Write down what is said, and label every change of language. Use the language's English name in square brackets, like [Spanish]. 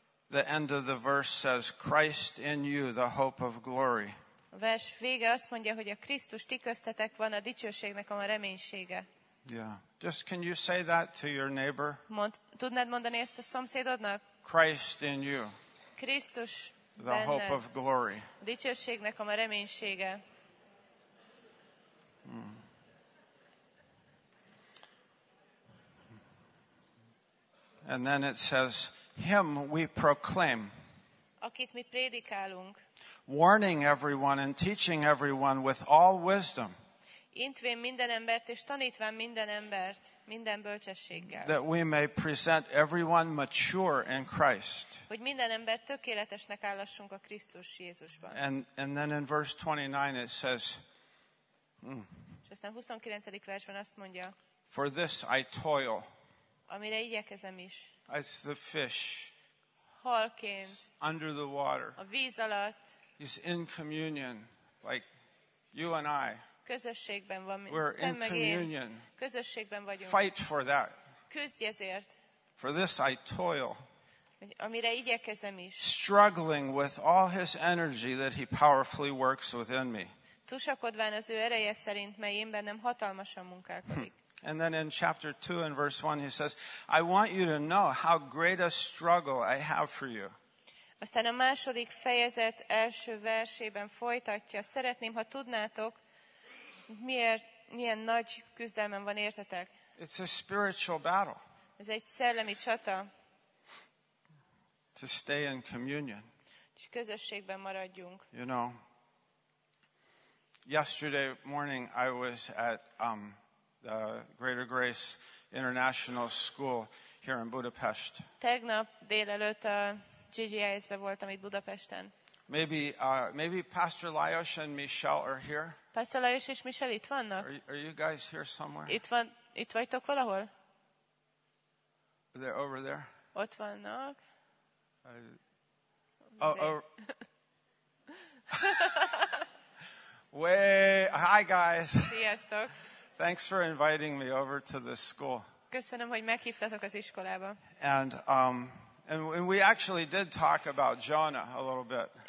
[English] The end of the verse says, Christ in you, the hope of glory. [Hungarian] A vers vége azt mondja, hogy a Krisztus ti köztetek van, a dicsőségnek a reménysége. [English] Yeah. Just can you say that to your neighbor? [Hungarian] Tudnád mondani ezt a szomszédodnak? [English] Christ in you. [Hungarian] Krisztus benned. [English] The hope of glory. [Hungarian] A dicsőségnek a reménysége. [English] And then it says, him we proclaim. [Hungarian] Akit mi prédikálunk. [English] Warning everyone and teaching everyone with all wisdom. [Hungarian] Intvén minden embert és tanítván minden embert minden bölcsességgel. [English] That we may present everyone mature in Christ. [Hungarian] Hogy minden embert tökéletesnek állassunk a Krisztus Jézusban. [English] And then in verse 29 it says, [Hungarian] És aztán 29. versben azt mondja, [English] for this I toil. [Hungarian] Amire igyekezem is. [English] It's the fish. [Hungarian] Halként. [English] It's under the water. [Hungarian] A víz alatt. [English] He's in communion, like you and I. [Hungarian] Közösségben van. [English] We're in communion. [Hungarian] Közösségben vagyunk. [English] Fight for that. [Hungarian] Küzdj ezért. [English] For this I toil. [Hungarian] Amire igyekezem is. [English] Struggling with all his energy that he powerfully works within me. [Hungarian] Tusakodván az ő ereje szerint, mely én bennem hatalmasan munkálkodik. [English] And then in chapter 2 and verse 1 he says, I want you to know how great a struggle I have for you. [Hungarian] Aztán a második fejezet első versében folytatja, szeretném, ha tudnátok, miért milyen nagy küzdelmem van értetek. [English] It's a spiritual battle. [Hungarian] Ez egy szellemi csata. [English] To stay in communion. [Hungarian] És közösségben maradjunk. [English] You know, yesterday morning I was at the Greater Grace International School here in Budapest. [Hungarian] Tegnap délelőtt a GGIS-be voltam itt Budapesten. [English] Maybe Pastor Lajos and Michelle are here. [Hungarian] Pastor Lajos és Michelle itt vannak? [English] Are you guys here somewhere? [Hungarian] Itt vagytok valahol? [English] They're over there. [Hungarian] Ott vannak. [English] Hi guys. [Hungarian] Sziasztok. [English] Thanks for inviting me over to this school. [Hungarian] Köszönöm, hogy meghívtatok az iskolába. [English] And we actually did talk about Jonah a little bit.